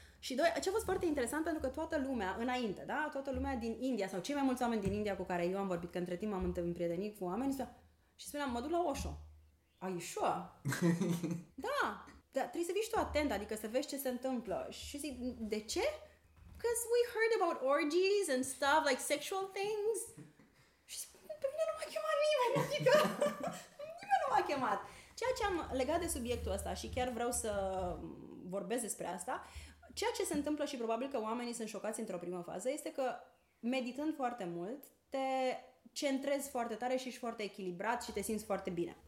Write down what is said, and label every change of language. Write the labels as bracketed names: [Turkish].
[Romanian] Și doi, ce a fost foarte interesant, pentru că toată lumea înainte, da, toată lumea din India sau cei mai mulți oameni din India cu care eu am vorbit, că între timp am împrietenit cu oameni, și spuneam, mă duc la Osho. [English] Are you sure? [Romanian] Da, dar trebuie să fii și tu atent, adică să vezi ce se întâmplă. Și zic, de ce? [English] Because we heard about orgies and stuff, like sexual things. [Romanian] Pe mine nu m-a chemat nimeni, adică nimeni nu m-a chemat. Ceea ce am legat de subiectul ăsta și chiar vreau să vorbesc despre asta, ceea ce se întâmplă și probabil că oamenii sunt șocați într-o primă fază, este că meditând foarte mult, te centrezi foarte tare și ești foarte echilibrat și te simți foarte bine.